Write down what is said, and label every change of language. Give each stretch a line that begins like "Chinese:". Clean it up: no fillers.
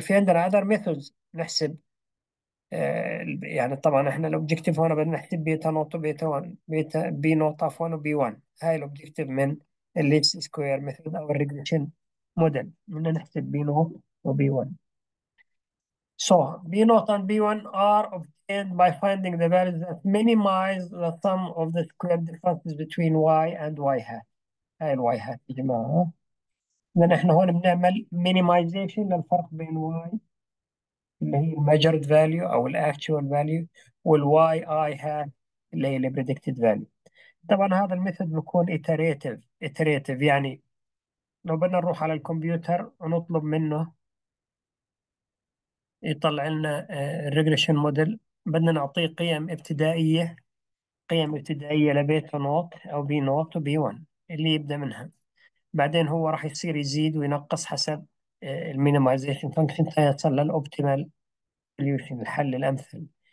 Arabic: في عندنا اذر ميثودز نحسب، يعني طبعا احنا الاوبجيكتيف هنا بدنا نحسب بيتا نوت وبيتا 1 بيتا بي نوت اف 1 وبي 1، هاي الاوبجيكتيف من الليست سكوير ميثود او الريجريشن موديل، بدنا نحسب بي نوت وبي 1.
English: So B naught and B1 are obtained by finding the values that minimize the sum of the square differences between y and y hat.
Arabic: هاي ال y hat يا جماعة. إذا احنا هون بنعمل minimization للفرق بين y اللي هي measured value أو ال actual value وال y i hat اللي هي ال predicted value. طبعا هذا الميثود بيكون iterative. iterative يعني لو بدنا نروح على الكمبيوتر ونطلب منه يطلع لنا الريجريشن موديل، بدنا نعطيه قيم ابتدائية، قيم ابتدائية لبيتا نوت أو بي نوت وبي 1 اللي يبدأ منها، بعدين هو راح يصير يزيد وينقص حسب المينيمايزيشن فانكشن يصل للأوبتيمال سوليوشن، الحل الأمثل.